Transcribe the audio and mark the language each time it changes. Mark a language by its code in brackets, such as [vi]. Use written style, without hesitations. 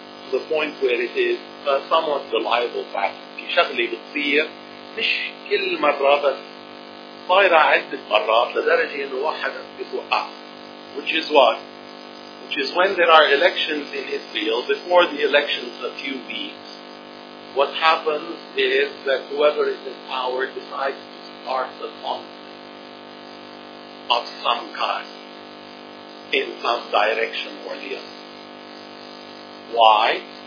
[en] The point where it is a somewhat reliable fact. [ar] شغلي بتصير مش كل مرة بس صايرة عدة مرات لدرجة إنه واحد بيتوقع. [en] Which is what? Which is when there are elections in Israel, before the elections a few weeks, what happens is that whoever is in power decides to start a conflict of some kind in some direction or the other. Why?